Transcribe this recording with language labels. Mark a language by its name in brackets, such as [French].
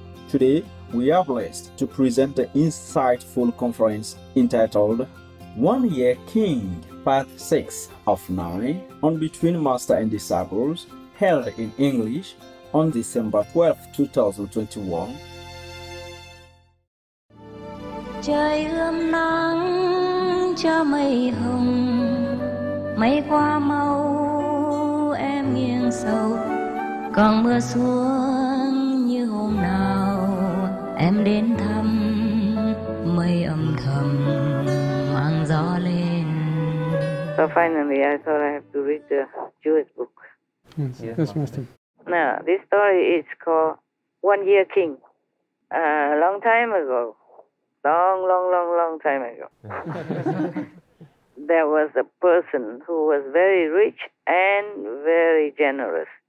[English] Today, we are blessed to present the insightful conference entitled 1 Year King, Part 6 of 9, on Between Master and Disciples, held in English on December 12, 2021. [Vietnamese] Trời ươm nắng cho mây hồng, mây qua màu em nghiêng sầu. Còn mưa xuống như hôm nào em đến thăm, mây âm thầm mang gió lên. [English] So finally I thought I have to read the Jewish book. Yes, Master. Now this story is called 1 Year King. A long time ago. Long, long, long, long time ago. There was a person who was very rich and very generous.